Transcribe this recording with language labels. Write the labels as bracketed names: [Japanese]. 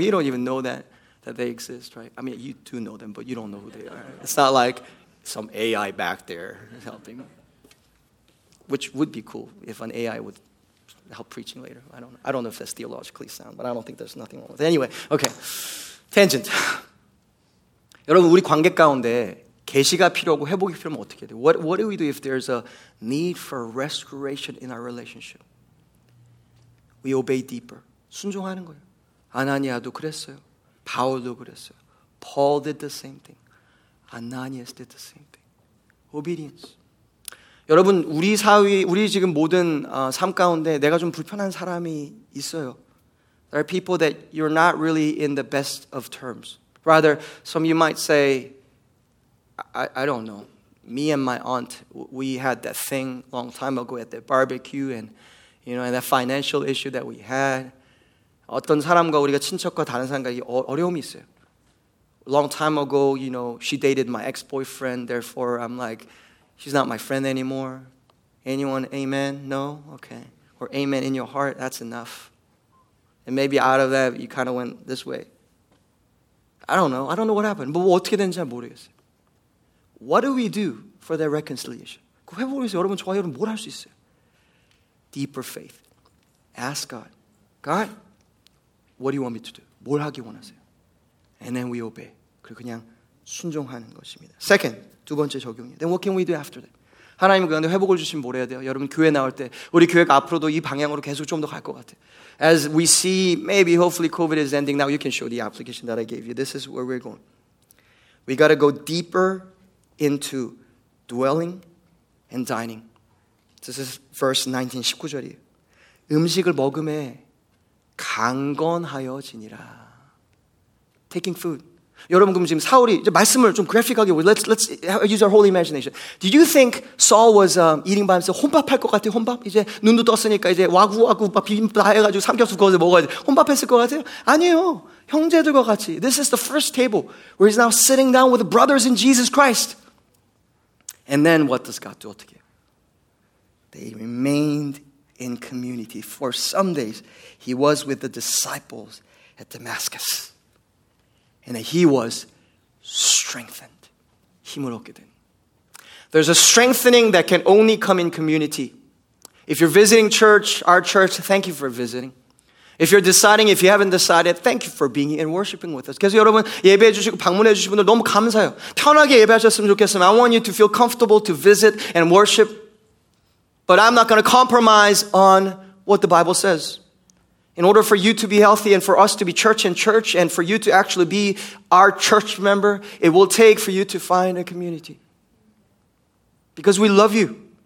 [English] You don't even know that they exist, right? I mean, you do know them, but you don't know who they are. It's not like some AI back there helping, which would be cool if an AI would help preaching later. I don't know if that's theologically sound, but I don't think there's nothing wrong with it. Anyway, okay. Tangent. [Korean] 여러분, 우리 관계 가운데 계시가 필요하고 회복이 필요하면 어떻게 돼요? [English] What do we do if there's a need for restoration in our relationship? We obey deeper. [Korean] 순종하는 거예요. 아나니아도 그랬어요. 바울도 그랬어요. [English] Paul did the same thing. Ananias did the same thing. Obedience. [Korean] 여러분, 우리 사회, 우리 지금 모든 삶 가운데 내가 좀 불편한 사람이 있어요. [English] There are people that you're not really in the best of terms. Rather, some you might say, I don't know. Me and my aunt, we had that thing long time ago at the barbecue and, you know, and that financial issue that we had. [Korean] 어떤 사람과 우리가 친척과 다른 사람과 어려움이 있어요. [English] Long time ago, you know, she dated my ex-boyfriend. Therefore, I'm like, she's not my friend anymore. Anyone, amen? No? Okay. Or amen in your heart, that's enough. And maybe out of that, you kind of went this way. I don't know. I don't know what happened. But [Korean] 어떻게 된지 잘 모르겠어요. [English] What do we do for that reconciliation? [Korean] 그 회복을 위해서 여러분, 저와 여러분 뭘 할 수 있어요? [English] Deeper faith. Ask God. God, what do you want me to do? [Korean] 뭘 하기 원하세요? [English] And then we obey. [Korean] 그리고 그냥 순종하는 것입니다. [English] Second, [Korean] 두 번째 적용이에요. [English] Then what can we do after that? [Korean] 하나님 그런데 회복을 주시면 뭘 해야 돼요? 여러분 교회 나올 때 우리 교회가 앞으로도 이 방향으로 계속 좀 더 갈 것 같아요. [English] As we see, maybe hopefully COVID is ending. Now you can show the application that I gave you. This is where we're going. We got to go deeper into dwelling and dining. This is verse 19, [Korean] 19절이에요. 음식을 먹음에 강건하여 지니라. [English] Taking food. [Korean] 여러분 그럼 지금 사울이 이제 말씀을 좀 그래픽하게 [English] let's use our whole imagination. Do you think Saul was eating by himself? [Korean] 혼밥할 것 같아요? 혼밥? 이제 눈도 떴으니까 이제 와구와구 막 비빔밥 다 해가지고 삼겹살 거기서 먹어야 돼. 혼밥했을 것 같아요? 아니에요. 형제들과 같이. [English] This is the first table where he's now sitting down with the brothers in Jesus Christ. And then what does God do? [Korean] 어떻게? [English] They remained in community. For some days, he was with the disciples at Damascus. And that he was strengthened. [Korean] 힘을 얻게 된. [English] There's a strengthening that can only come in community. If you're visiting church, our church, thank you for visiting. If you're deciding, if you haven't decided, thank you for being here and worshiping with us. [Korean] 그래서 여러분, 예배해 주시고 방문해 주신 분들 너무 감사해요. 편하게 예배하셨으면 좋겠습니다. [English] I want you to feel comfortable to visit and worship. But I'm not going to compromise on what the Bible says. In order for you to be healthy and for us to be church in church and for you to actually be our church member, it will take for you to find a community. Because we love you.